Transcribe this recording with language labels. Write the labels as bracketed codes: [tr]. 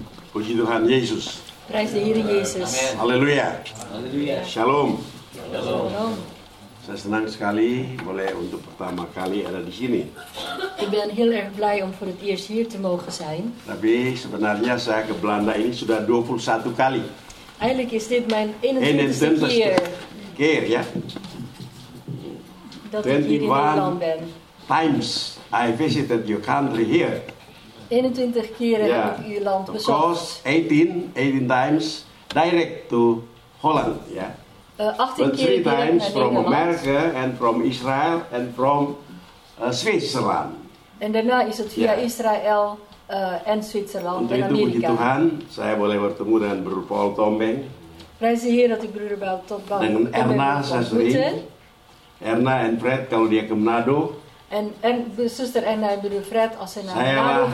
[nl] Goed je aan Jezus. Prijs de Heer Jezus. Amen. Halleluja. Halleluja. Shalom. Shalom. [id] Saya senang sekali boleh untuk pertama kali ada di sini. [nl] Ik ben heel erg blij om voor het eerst hier te mogen zijn. [id] Tapi sebenarnya saya ke Belanda ini sudah 21 kali. [nl] Eigenlijk is dit mijn 21ste keer. Keer, ja. Dat ik hier in Nederland ben. [en] Times I visited your country here. [nl] 21 keer heb ik uw land bezocht. [en] Of course, 18 times direct to Holland, ja. Yeah. [nl] 18 keer [en] three times from America and from Israel and from Zwitserland. [nl] En daarna is het via Israël en Zwitserland en Amerika. [id] Untuk itu puji Tuhan, saya boleh bertemu dengan broer Paul Tombeng. [nl] Prijs de Heer dat ik broer Paul Tombeng [id] ben. Dengan Erna, saya sering. Erna en Fred, kalau dia ke Manado. [nl] En zuster Erna en broer Fred, als ze naar Manado gaan.